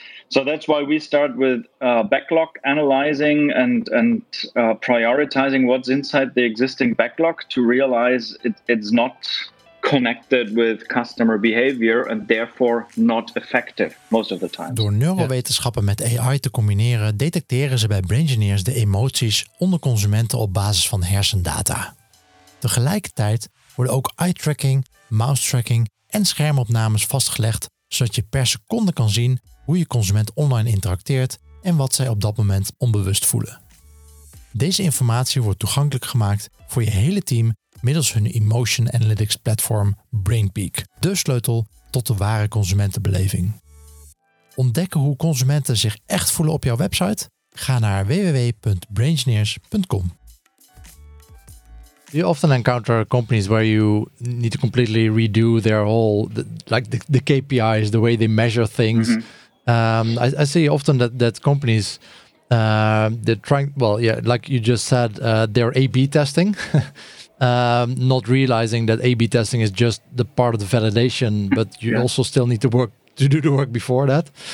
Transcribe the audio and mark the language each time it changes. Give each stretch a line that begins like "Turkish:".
English: So that's why we start with backlog analyzing and prioritizing what's inside the existing backlog to realize it's not connected with customer behavior and therefore not effective most of the time.
Dutch: Door neurowetenschappen met AI te combineren, detecteren ze bij Braingineers de emoties onder consumenten op basis van hersendata. Tegelijkertijd worden ook eye-tracking, mouse-tracking en schermopnames vastgelegd, zodat je per seconde kan zien hoe je consument online interacteert en wat zij op dat moment onbewust voelen. Deze informatie wordt toegankelijk gemaakt voor je hele team middels hun emotion analytics platform BrainPeak, de sleutel tot de ware consumentenbeleving. Ontdekken hoe consumenten zich echt voelen op jouw website? Ga naar www.braingineers.com.
English: You often encounter companies where you need to completely redo their whole, the KPIs, the way they measure things. Mm-hmm. I see often that companies, they're trying, like you just said, they're A-B testing, not realizing that A-B testing is just the part of the validation, but you also still need to work to do the work before that.